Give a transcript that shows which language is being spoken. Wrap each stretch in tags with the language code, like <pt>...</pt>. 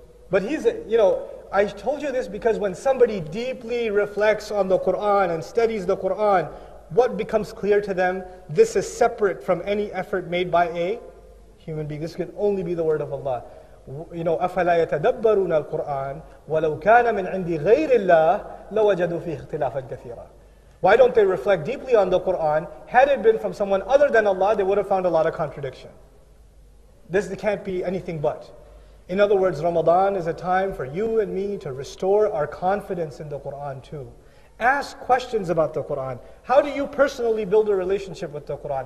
<en>But I told you this because when somebody deeply reflects on the Qur'an and studies the Qur'an, what becomes clear to them, this is separate from any effort made by a human being. This can only be the word of Allah.</en> <ar>أَفَلَا يَتَدَبَّرُونَ الْقُرْآنَ وَلَوْ كَانَ مِنْ عِنْدِ غَيْرِ اللَّهِ لَوَجَدُوا فِيهِ اخْتِلَافًا كَثِيرًا</ar> <en>Why don't they reflect deeply on the Qur'an? Had it been from someone other than Allah, they would have found a lot of contradiction. This can't be anything but. In other words, Ramadan is a time for you and me to restore our confidence in the Qur'an too. Ask questions about the Qur'an. How do you personally build a relationship with the Qur'an?</en>